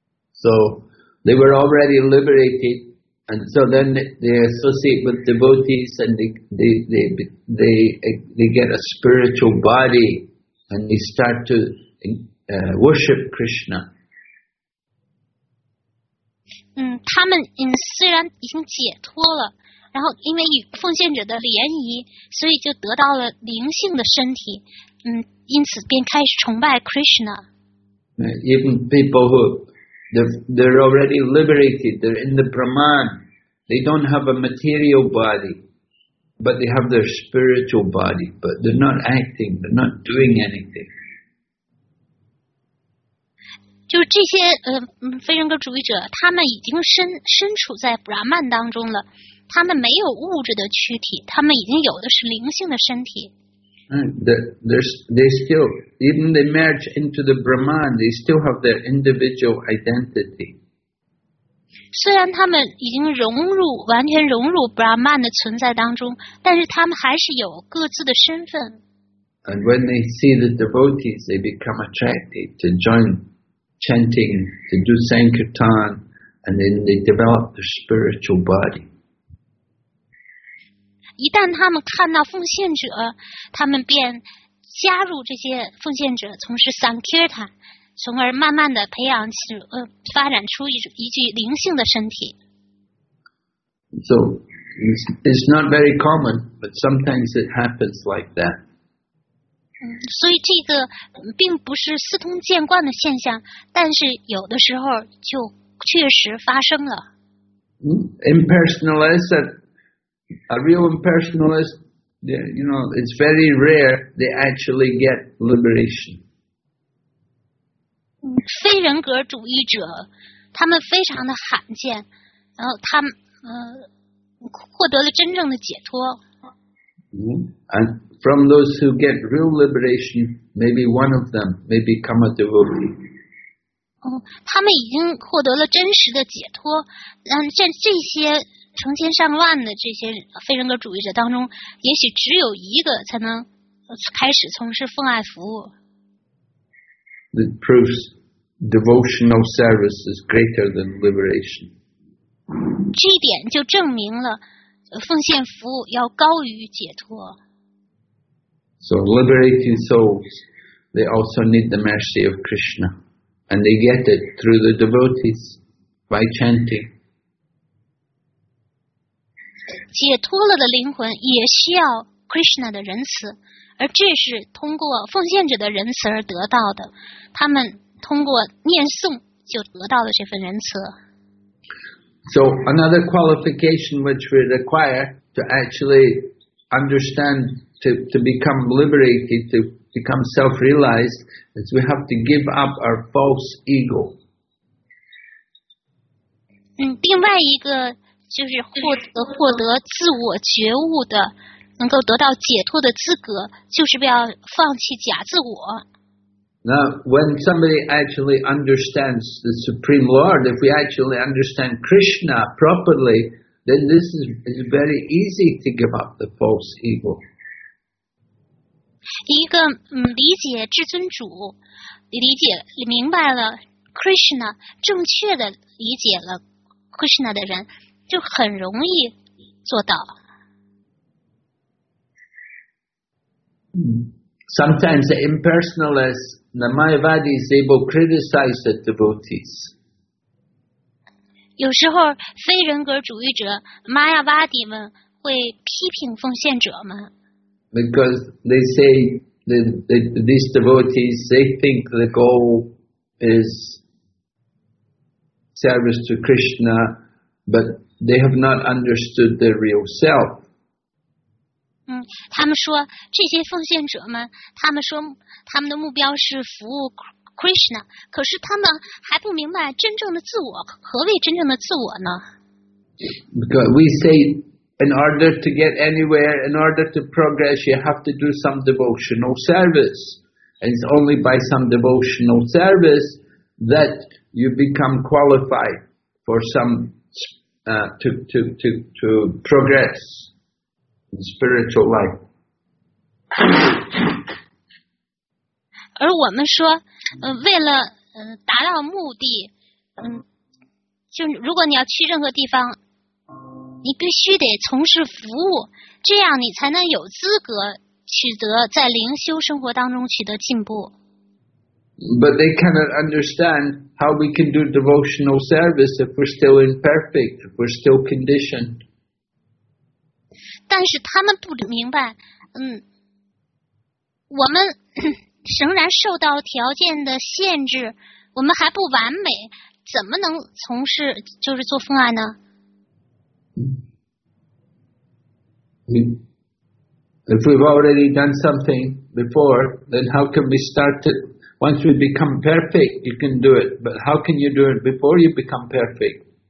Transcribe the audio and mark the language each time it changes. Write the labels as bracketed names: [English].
[English] So they were already liberated, and so then they associate with devotees, and they get a spiritual body, and they start to worship Krishna. [Chinese] 他们虽然已经解脱了，然后因为与奉献者的联谊，所以就得到了灵性的身体。因此便开始崇拜 Krishna. [English] Even people who they're already liberated, they're in the Brahman, they don't have a material body, but they have their spiritual body, but they're not acting, they're not doing anything. [Chinese] 就这些非人格主义者，他们已经身处在 Brahman 当中了，他们没有物质的躯体，他们已经有的是灵性的身体。 [English] They still, even they merge into the Brahman, they still have their individual identity. [Chinese] 虽然他们已经融入完全融入 Brahman 的存在当中，但是他们还是有各自的身份。 [English] And when they see the devotees, they become attracted to join chanting, to do sankirtan, and then they develop their spiritual body. [Chinese] 一旦他们看到奉献者，他们便加入这些奉献者从事 sankirtan，从而慢慢的培养起发展出一具灵性的身体。 [English] So it's not very common, but sometimes it happens like that. [Chinese] 所以这个并不是司空见惯的现象，但是有的时候就确实发生了。 [English] Impersonalist, a real impersonalist, you know, it's very rare they actually get liberation. [Chinese] 非人格主义者，他们非常的罕见，然后他们获得了真正的解脱。 [English] And from those who get real liberation, maybe one of them may become a devotee. [Chinese] 他们已经获得了真实的解脱，但在这些成千上万的这些非人格主义者当中，也许只有一个才能开始从事奉爱服务。 [English] It proves devotional service is greater than liberation. [Chinese] 这一点就证明了奉献服务要高于解脱。 [English] So liberating souls, they also need the mercy of Krishna, and they get it through the devotees by chanting. [Chinese] 解脱了的灵魂也需要 Krishna 的仁慈。而这是通过奉献者的仁慈而得到的，他们通过念诵就得到了这份仁慈。 [English] So another qualification which we require to actually understand to become liberated, to become self-realized, is we have to give up our false ego. [Chinese] 另外一个就是获得自我觉悟的。能够得到解脱的资格，就是不要放弃假自我。 [English] Now, when somebody actually understands the Supreme Lord, if we actually understand Krishna properly, then this is very easy to give up the false ego. [Chinese] 一个理解至尊主，理解明白了 Krishna， 正确的理解了 Krishna 的人，就很容易做到。 [English] Sometimes the impersonalists, the Mayavadis, they will criticize the devotees. [Chinese] 有时候非人格主义者 Mayavadi 们会批评奉献者们。 [English] Because they say these devotees, they think the goal is service to Krishna, but they have not understood their real self. [Chinese] 他们说这些奉献者们，他们说他们的目标是服务 Krishna， 可是他们还不明白真正的自我，何谓真正的自我呢？ [English] Because we say in order to get anywhere, in order to progress, you have to do some devotional service. And it's only by some devotional service that you become qualified for some, to progress. Spiritual life. [Chinese] 而我们说，为了达到目的，就如果你要去任何地方，你必须得从事服务，这样你才能有资格取得在灵修生活当中取得进步。 [English] But they cannot understand how we can do devotional service if we're still imperfect, if we're still conditioned. [Chinese] 但是他们不明白，我们仍然受到条件的限制，我们还不完美，怎么能从事就是做奉爱呢？ [English] If we've already done something before, then how can we start it? Once we become perfect, you can do it. But how can you do it before you become perfect?